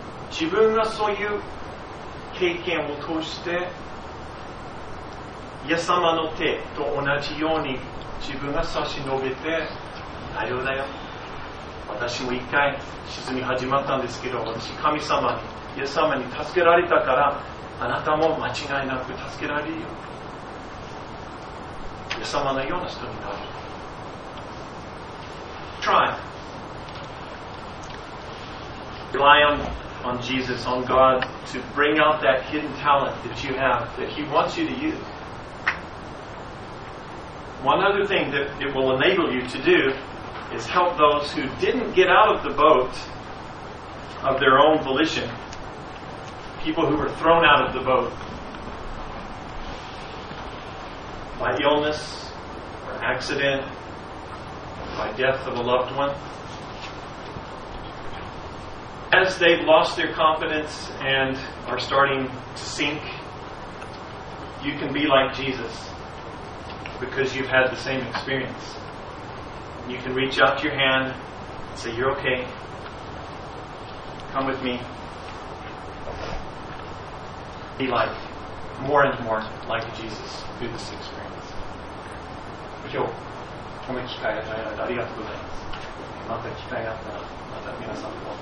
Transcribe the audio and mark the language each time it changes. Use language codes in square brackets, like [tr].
[ja] 自分がそういう経験を通して、イエス様の手と同じように自分が差し伸べて、大丈夫だよ、私も一回沈み始まったんですけど、私、神様に、イエス様に助けられたから、あなたも間違いなく助けられるよ、イエス様のような人になる。 [en] Try Rely onOn Jesus, on God, to bring out that hidden talent that you have, that He wants you to use. One other thing that it will enable you to do is help those who didn't get out of the boat of their own volition, people who were thrown out of the boat by illness, or accident, by death of a loved one. As they've lost their confidence and are starting to sink, you can be like Jesus because you've had the same experience. You can reach out your hand and say, you're okay. Come with me. Be like, more and more like Jesus through this experience. [ja] 今日、この機会を与えられてありがとうございます。また機会があったら、また皆さんも。